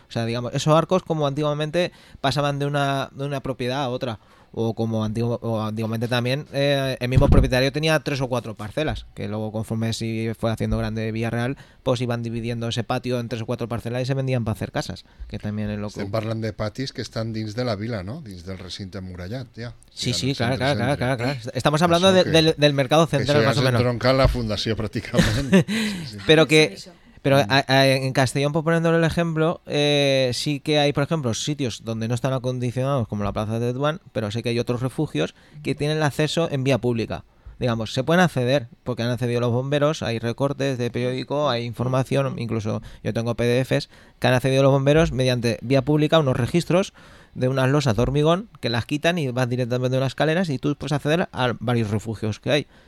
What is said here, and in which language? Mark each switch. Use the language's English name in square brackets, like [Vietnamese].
[Spanish] O sea, digamos, esos arcos como antiguamente pasaban de una propiedad a otra, o como antiguamente también el mismo propietario tenía tres o cuatro parcelas, que luego conforme si fue haciendo grande Villarreal, pues iban dividiendo ese patio en tres o cuatro parcelas y se vendían para hacer casas, que también es loco. [Catalan] Estem parlant de patis que están dins de la vila, ¿no? Dins del recinte amurallat, ya. [Spanish] Sí, sí, claro. Estamos hablando del mercado central, más o menos. Eso ya se entronca [Catalan] la fundació, pràcticament. [Spanish] Sí, sí. Pero en Castellón, por poniéndole el ejemplo, sí que hay, por ejemplo, sitios donde no están acondicionados, como la Plaza de Tetuán, pero sí que hay otros refugios que tienen el acceso en vía pública. Digamos, se pueden acceder, porque han accedido los bomberos, hay recortes de periódico, hay información, incluso yo tengo PDFs, que han accedido los bomberos mediante vía pública, unos registros de unas losas de hormigón, que las quitan y vas directamente a unas escaleras y tú puedes acceder a varios refugios que hay.